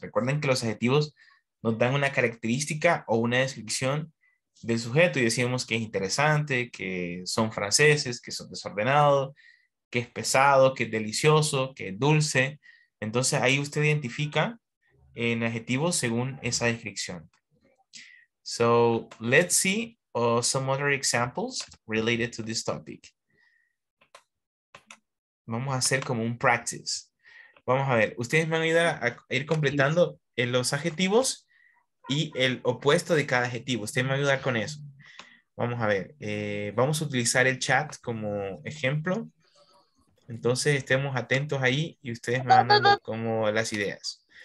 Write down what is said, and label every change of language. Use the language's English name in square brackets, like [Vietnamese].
[Spanish] Recuerden que los adjetivos nos dan una característica o una descripción del sujeto y decimos que es interesante, que son franceses, que son desordenados, que es pesado, que es delicioso, que es dulce. Entonces, ahí usted identifica en adjetivos según esa descripción. [English] So, let's see some other examples related to this topic. [Spanish] Vamos a hacer como un practice. Vamos a ver, ustedes me van a ayudar a ir completando en los adjetivos y el opuesto de cada adjetivo. Ustedes me van a ayudar con eso. Vamos a ver, vamos a utilizar el chat como ejemplo. Entonces, estemos atentos ahí y ustedes me van dando como las ideas.